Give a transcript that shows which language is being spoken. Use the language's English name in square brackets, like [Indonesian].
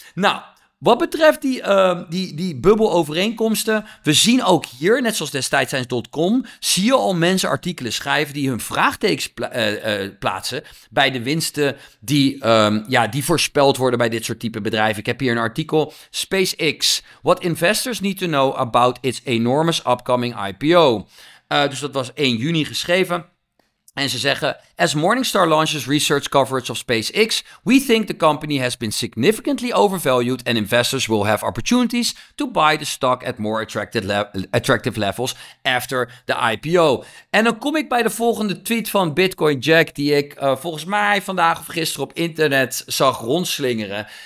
[Dutch] Nou, wat betreft die bubbelovereenkomsten, we zien ook hier, net zoals destijds.com, zie je al mensen artikelen schrijven die hun vraagtekens plaatsen bij de winsten die voorspeld worden bij dit soort type bedrijven. Ik heb hier een artikel, [English] SpaceX, what investors need to know about its enormous upcoming IPO. [Dutch] Dus dat was 1 juni geschreven. En ze zeggen, [English] as Morningstar launches research coverage of SpaceX, we think the company has been significantly overvalued and investors will have opportunities to buy the stock at more attractive levels after the IPO. [Dutch] En dan kom ik bij de volgende tweet van Bitcoin Jack, die ik volgens mij vandaag of gisteren op internet zag rondslingeren.